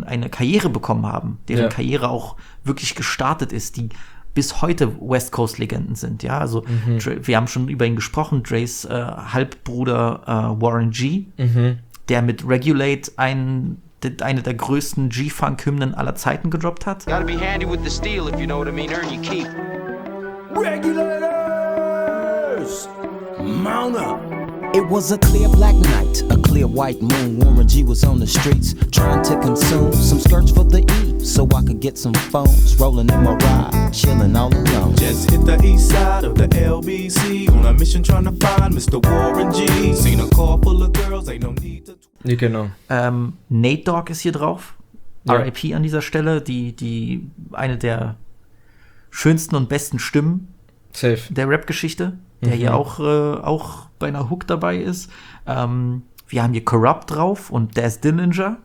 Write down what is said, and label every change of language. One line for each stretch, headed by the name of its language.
German: Karriere bekommen haben, deren Karriere auch wirklich gestartet ist, die bis heute West Coast Legenden sind, ja, also Dre, wir haben schon über ihn gesprochen, Dres Halbbruder Warren G, der mit Regulate eine der größten G-Funk-Hymnen aller Zeiten gedroppt hat.
English: Gotta be handy with the steel, if you know what I mean, earn your keep. Regulators! Mount up! It was a clear black night, a clear white moon. Warmer G was on the streets, trying to consume some skirts for the E, so I could get some phones. Rolling in my ride, chilling all alone. Just hit the east side of the LBC on a mission trying to find Mr. Warren G. Seen a car full of girls, ain't no need to.
German: Genau. Nate Dogg ist hier drauf. RIP an dieser Stelle, die eine der schönsten und besten Stimmen der Rap-Geschichte, der hier auch bei einer Hook dabei ist. wir haben hier Corrupt drauf und Daz Dillinger.